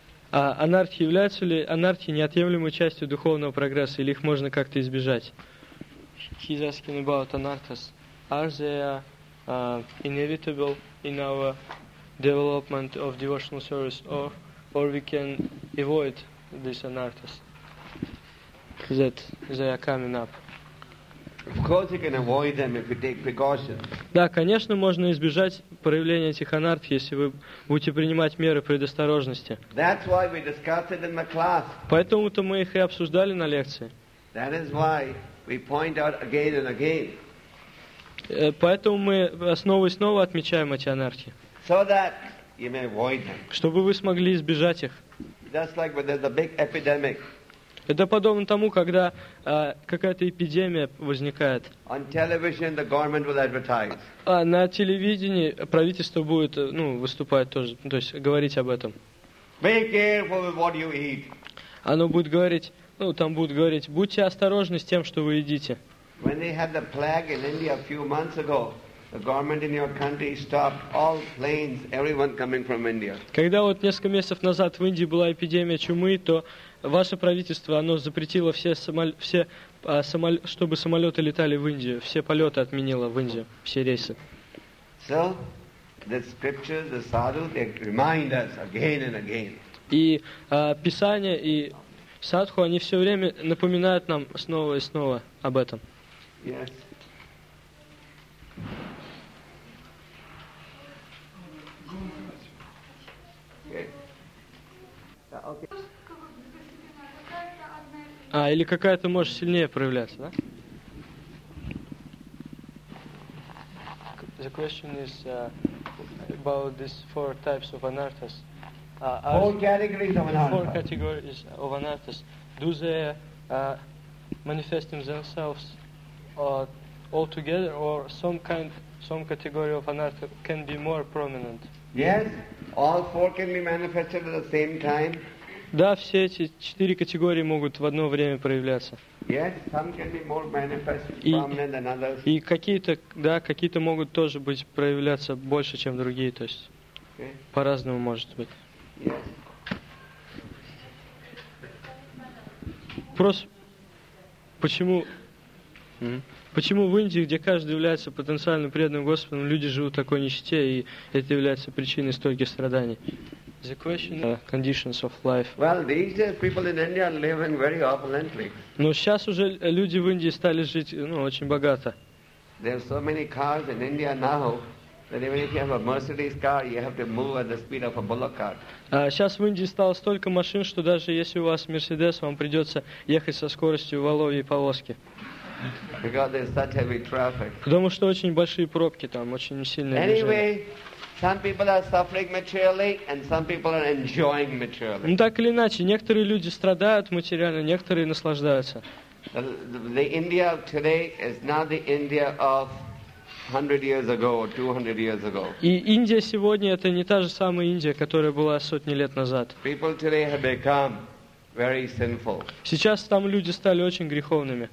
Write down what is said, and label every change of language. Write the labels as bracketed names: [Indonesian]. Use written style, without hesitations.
[Russian] Анархи являются ли анархи неотъемлемой частью духовного прогресса, или их можно как-то избежать? [English] He's asking about anarchas. Are they inevitable in our development of devotional service, or we can avoid these anarchas that they are coming up? Of course, you can avoid them if you take precautions. [Russian] Да, конечно, можно избежать проявления этих анархий, если вы будете принимать меры предосторожности. [English] That's why we discussed it in the class. [Russian] Поэтому-то мы их и обсуждали на лекции. [English] That is why we point out again and again. [Russian] Поэтому мы снова и снова отмечаем эти анархии. [English] So that you may avoid them. [Russian] Чтобы вы смогли избежать их. [English] Just like when there's a big epidemic. [Russian] Это подобно тому, когда какая-то эпидемия возникает. [English] On television, the government will advertise. [Russian] На телевидении правительство будет выступать тоже, то есть говорить об этом. [English] Be careful with what you eat. [Russian] Оно будет говорить, там будет говорить, будьте осторожны с тем, что вы едите. [English] When they had the plague in India a few months ago, The government in your country stopped all planes, everyone coming from India. [Russian] Когда вот несколько месяцев назад в Индии была эпидемия чумы, то ваше правительство оно запретило чтобы самолеты летали в Индию, все полеты отменило в Индию, все рейсы. [English] So the scriptures, the sadhu, they remind us again and again. [Russian] И писание и садху они все время напоминают нам снова и снова об этом. [English] Yes. [Russian] А, или какая-то может сильнее проявляться, да? [English] The question is about these four types of anarthas. Four categories of anarthas. Four categories of anarthas. Do they manifest in themselves all together, or some category of anartha can be more prominent? Yes, all four can be manifested at the same time. [Russian] Да, все эти четыре категории могут в одно время проявляться. [English] Yes, some can be more manifest, prominent than others. [Russian] И какие-то, да, какие-то могут тоже быть проявляться больше, чем другие, то есть okay. По-разному может быть. [English] Yes. [Russian] Просто почему в Индии, где каждый является потенциально преданным Господом, люди живут в такой нищете, и это является причиной стольких страданий? [English] The question, conditions of life. Well, these days people in India are living very opulently. [Russian] Но сейчас уже люди в Индии стали жить, ну, очень богато. [English] There are so many cars in India now that even if you have a Mercedes car, you have to move at the speed of a bullock cart. [Russian] Сейчас в Индии стало столько машин, что даже если у вас Mercedes, вам придется ехать со скоростью воловьей повозки. [English] Because there's such heavy traffic. [Russian] Потому что очень большие пробки там, очень сильные движения. [English] Anyway. Some people are suffering materially, and some people are enjoying materially. [Russian] Ну так или иначе, некоторые люди страдают материально, некоторые наслаждаются. [English] The India of today is not the India of 100 years ago or 200 years ago. [Russian] И Индия сегодня это не та же самая Индия, которая была сотни лет назад. [English] People today have become very sinful. [Russian] Сейчас там люди стали очень греховными.